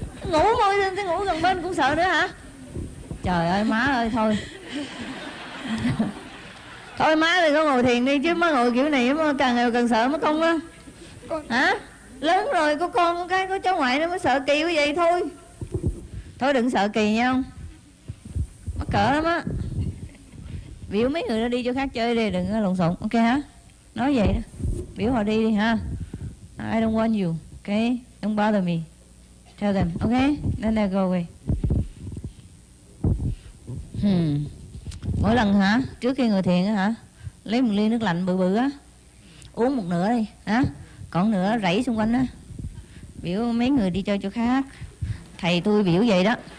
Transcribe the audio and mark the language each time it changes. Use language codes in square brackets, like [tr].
[vi] ngủ môi lên ngủ gần bên cũng sợ nữa hả? Trời ơi má ơi, thôi thôi má thì con ngồi thiền đi chứ má ngồi kiểu này mà càng ngày càng sợ mất công á. Hả? Lớn rồi có con có cái có cháu ngoại nó mới sợ kỳ quá vậy. Thôi đừng sợ kỳ nha, không mắc cỡ lắm á. Biểu mấy người nó đi chỗ khác chơi đi, đừng có lộn xộn. Ok hả, nói vậy đó, biểu họ đi đi ha. [en] I don't want you, ok, don't bother me, tell them, ok, then they go away. [vi] Mỗi lần hả, trước khi ngồi thiền á hả, lấy một ly nước lạnh bự bự á, uống một nửa đi hả, còn nữa rẫy xung quanh á, biểu mấy người đi chơi chỗ khác, thầy tôi biểu vậy đó.